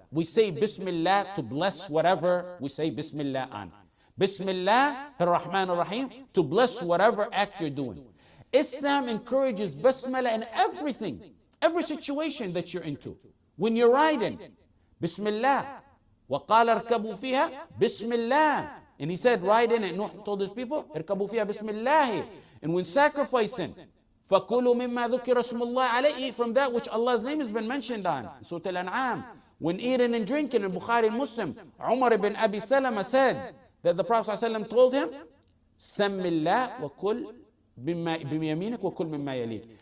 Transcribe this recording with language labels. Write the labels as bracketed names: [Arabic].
[English] We say Bismillah to bless whatever we say Bismillah on. Bismillah ar-Rahman ar-Rahim, to bless whatever act you're doing. Islam encourages Basmala in everything, every situation that you're into. When you're riding, Bismillah. [Arabic] وَقَالَ ارْكَبُوا فِيهَا Bismillah. [English] And he said, ride in it. Nuh told his people, [Arabic] ارْكَبُوا فِيهَا بِسْمِ. [English] And when sacrificing, [Arabic] فَكُلُوا مِمَّا ذُكِرَ اسْمُ اللَّهِ عَلَيْهِ, [English] from that which Allah's name has been mentioned on, Surah Al-An'am. When eating and drinking, in Bukhari and Muslim, Umar ibn Abi Salama said that the Prophet ﷺ told him, [Arabic] سَمِّ اللَّهِ وَكُلْ بِمْيَمِينِكَ وَكُلْ مِمَّا يَلِيكَ.